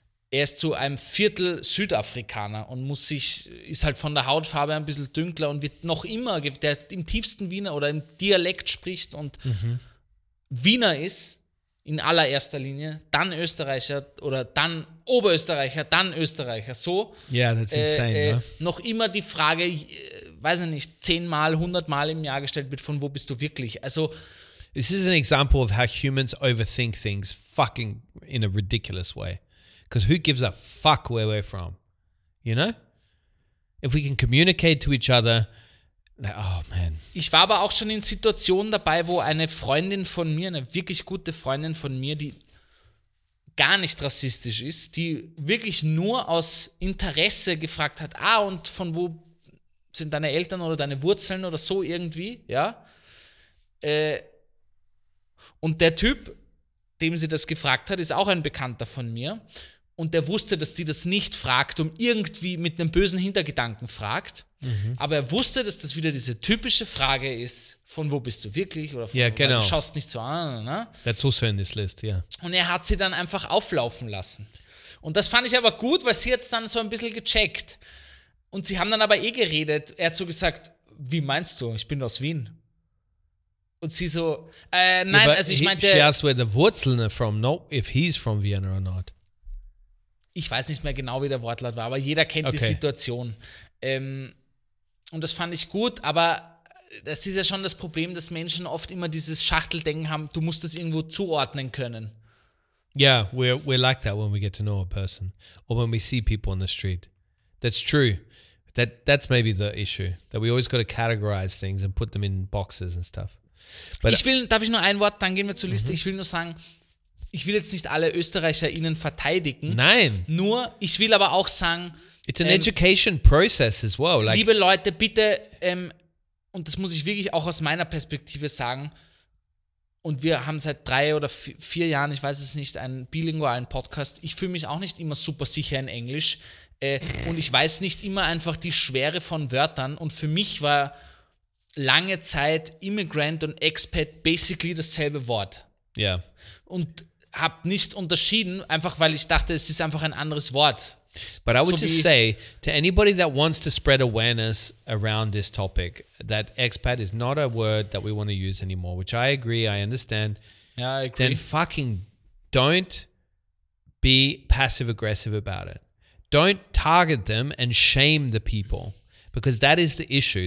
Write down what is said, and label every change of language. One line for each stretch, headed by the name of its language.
German: Er ist zu einem Viertel Südafrikaner und ist halt von der Hautfarbe ein bisschen dünkler und wird noch immer, der im tiefsten Wiener oder im Dialekt spricht und Wiener ist in allererster Linie, dann Österreicher oder dann Oberösterreicher, dann Österreicher, so.
English: Ja, yeah, that's insane, ne?
German: Noch immer die Frage, weiß ich nicht, 10-mal, 100-mal im Jahr gestellt wird, von wo bist du wirklich? Also,
English: this is an example of how humans overthink things fucking in a ridiculous way. Because who gives a fuck where we're from? You know? If we can communicate to each other, like, oh man.
German: Ich war aber auch schon in Situationen dabei, wo eine Freundin von mir, eine wirklich gute Freundin von mir, die gar nicht rassistisch ist, die wirklich nur aus Interesse gefragt hat, und von wo sind deine Eltern oder deine Wurzeln oder so irgendwie, ja? Und der Typ, dem sie das gefragt hat, ist auch ein Bekannter von mir. Und der wusste, dass die das nicht fragt, um irgendwie mit einem bösen Hintergedanken fragt. Mhm. Aber er wusste, dass das wieder diese typische Frage ist, von wo bist du wirklich? Oder von, yeah, genau. Du schaust nicht so an. Ne?
English: That's also in this list, yeah.
German: Und er hat sie dann einfach auflaufen lassen. Und das fand ich aber gut, weil sie jetzt dann so ein bisschen gecheckt. Und sie haben dann aber geredet. Er hat so gesagt, wie meinst du, ich bin aus Wien. Und sie so, nein, yeah, also ich meinte...
English: She asked where the Wurzeln are from, not if he's from Vienna or not.
German: Ich weiß nicht mehr genau, wie der Wortlaut war, aber jeder kennt die Situation. Und das fand ich gut, aber das ist ja schon das Problem, dass Menschen oft immer dieses Schachteldenken haben, du musst das irgendwo zuordnen können.
English: Yeah, we're like that when we get to know a person or when we see people on the street. That's true. That's maybe the issue, that we always got to categorize things and put them in boxes and stuff.
German: But ich will, darf ich nur ein Wort, dann gehen wir zur Liste. Mhm. Ich will nur sagen, ich will jetzt nicht alle ÖsterreicherInnen verteidigen. Nein. Nur, ich will aber auch sagen,
English: it's an education process as well.
German: Like, liebe Leute, bitte, und das muss ich wirklich auch aus meiner Perspektive sagen, und wir haben seit 3 oder 4 Jahren, ich weiß es nicht, einen bilingualen Podcast. Ich fühle mich auch nicht immer super sicher in Englisch. Und ich weiß nicht immer einfach die Schwere von Wörtern. Und für mich war lange Zeit Immigrant und Expat basically dasselbe Wort. Ja.
English: Yeah.
German: Und hab nicht unterschieden, einfach weil ich dachte, es ist einfach ein anderes Wort.
English: But I would just say to anybody that wants to spread awareness around this topic, that expat is not a word that we want to use anymore, which I agree, I understand. Yeah, I agree. Then fucking don't be passive aggressive about it. Don't target them and shame the people. Because that is the issue.